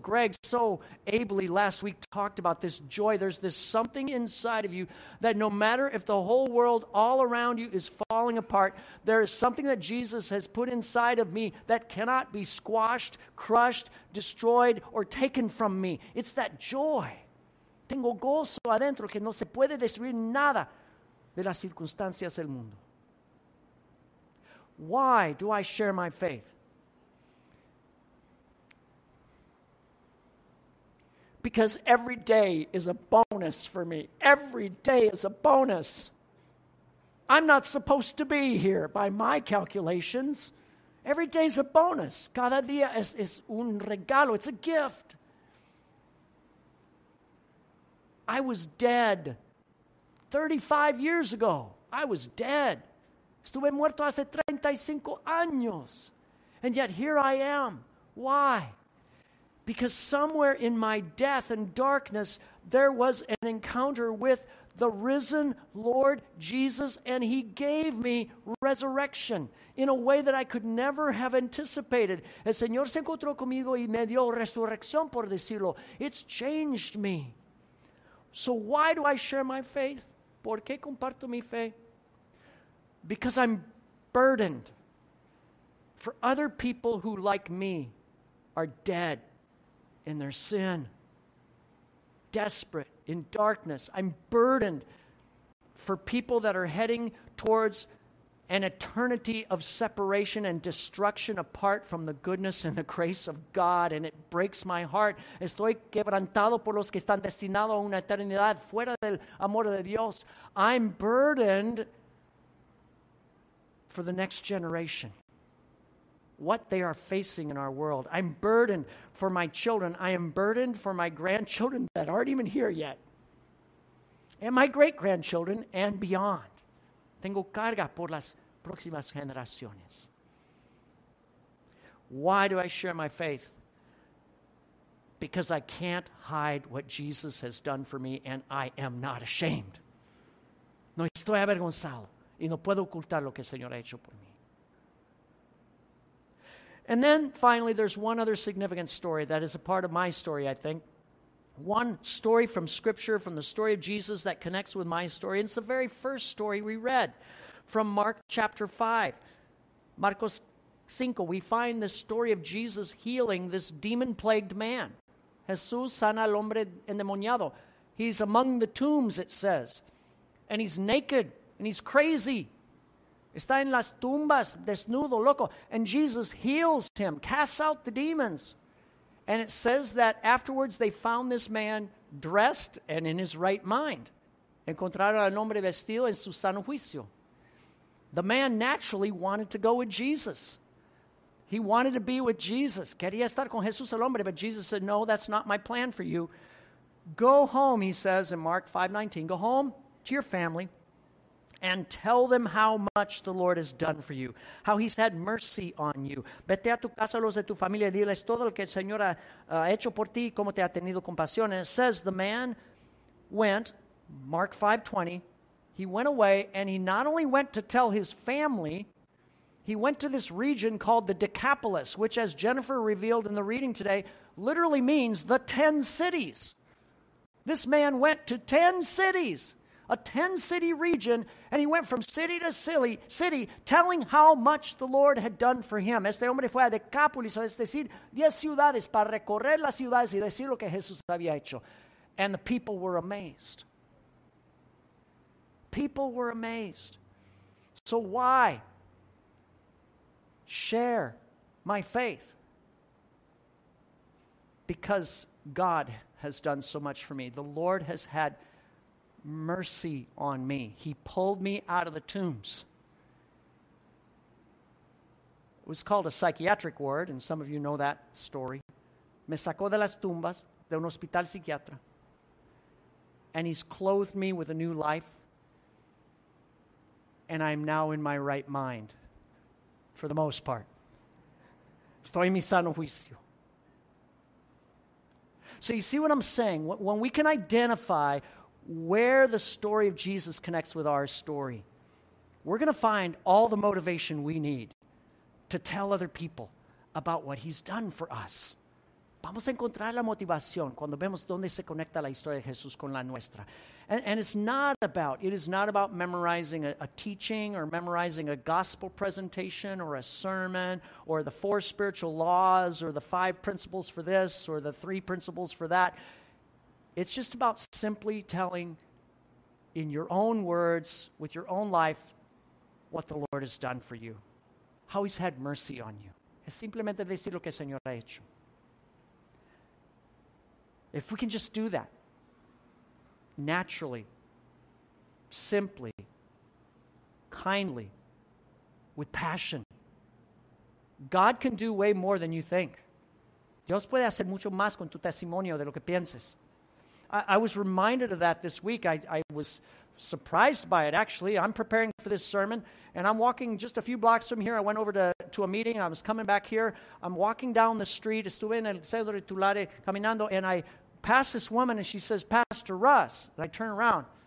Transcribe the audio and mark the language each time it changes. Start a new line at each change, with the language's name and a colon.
English: Greg so ably last week talked about this joy. There's this something inside of you that no matter if the whole world all around you is falling apart, there is something that Jesus has put inside of me that cannot be squashed, crushed, destroyed, or taken from me. It's that joy.
Spanish: Tengo gozo adentro que no se puede destruir nada de las circunstancias del mundo.
English: Why do I share my faith? Because every day is a bonus for me. Every day is a bonus. I'm not supposed to be here by my calculations. Every day is a bonus.
Spanish: Cada día es un regalo.
English: It's a gift. I was dead 35 years ago. I was dead.
Spanish: Estuve muerto hace 35 años.
English: And yet here I am. Why? Because somewhere in my death and darkness, there was an encounter with the risen Lord Jesus, and he gave me resurrection in a way that I could never have anticipated.
Spanish: El Señor se encontró conmigo y me dio resurrección, por decirlo.
English: It's changed me. So why do I share my faith?
Spanish: ¿Por qué comparto mi fe?
English: Because I'm burdened for other people who, like me, are dead in their sin, desperate, in darkness. I'm burdened for people that are heading towards an eternity of separation and destruction apart from the goodness and the grace of God, and it breaks my heart.
Spanish: Estoy quebrantado por los que están destinados a una eternidad fuera del amor de Dios.
English: I'm burdened for the next generation, what they are facing in our world. I'm burdened for my children. I am burdened for my grandchildren that aren't even here yet, and my great-grandchildren and beyond.
Spanish: Tengo carga por las próximas generaciones.
English: Why do I share my faith? Because I can't hide what Jesus has done for me, and I am not ashamed.
Spanish: No estoy avergonzado y no puedo ocultar lo que el Señor ha hecho por mí.
English: And then, finally, there's one other significant story that is a part of my story, I think. One story from Scripture, from the story of Jesus that connects with my story. And it's the very first story we read from Mark chapter 5. Marcos 5, we find the story of Jesus healing this demon-plagued man.
Spanish: Jesús sana al hombre endemoniado.
English: He's among the tombs, it says. And he's naked, and he's crazy.
Spanish: Está en las tumbas, desnudo, loco.
English: And Jesus heals him, casts out the demons. And it says that afterwards they found this man dressed and in his right mind.
Spanish: Encontraron al hombre vestido en su sano juicio.
English: The man naturally wanted to go with Jesus. He wanted to be with Jesus.
Spanish: Quería estar con Jesús el hombre,
English: but Jesus said, no, that's not my plan for you. Go home, he says in Mark 5:19. Go home to your family and tell them how much the Lord has done for you, how he's had mercy on you.
Spanish: Vete a tu casa, los de tu familia, diles todo lo que el Señor ha hecho por ti, cómo te ha tenido compasión.
English: And it says the man went, Mark 5:20, he went away, and he not only went to tell his family, he went to this region called the Decapolis, which, as Jennifer revealed in the reading today, literally means the 10 cities. This man went to 10 cities. A 10-city region, and he went from city to city telling how much the Lord had done for him.
Spanish: Este hombre fue a Decapolis, es decir, 10 ciudades para recorrer las ciudades y decir lo que Jesús había hecho.
English: And the people were amazed. People were amazed. So why share my faith? Because God has done so much for me. The Lord has had mercy on me. He pulled me out of the tombs. It was called a psychiatric ward, and some of you know that story.
Spanish: Me sacó de las tumbas de un hospital psiquiatra.
English: And he's clothed me with a new life. And I'm now in my right mind, for the most part.
Spanish: Estoy en mi sano juicio.
English: So you see what I'm saying? When we can identify where the story of Jesus connects with our story, we're going to find all the motivation we need to tell other people about what he's done for us.
Spanish: Vamos a encontrar la motivación cuando vemos dónde se conecta la historia de Jesús con la nuestra.
English: And it is not about memorizing a teaching or memorizing a gospel presentation or a sermon or the four spiritual laws or the five principles for this or the three principles for that. It's just about simply telling in your own words, with your own life, what the Lord has done for you, how he's had mercy on you.
Spanish: Es simplemente decir lo que el Señor ha hecho.
English: If we can just do that naturally, simply, kindly, with passion, God can do way more than you think.
Spanish: Dios puede hacer mucho más con tu testimonio de lo que pienses.
English: I was reminded of that this week. I was surprised by it, actually. I'm preparing for this sermon, and I'm walking just a few blocks from here. I went over to a meeting. I was coming back here. I'm walking down the street.
Spanish: Estuve en el centro de Tulare caminando,
English: and I passed this woman, and she says, "Pastor Russ." And I turn around.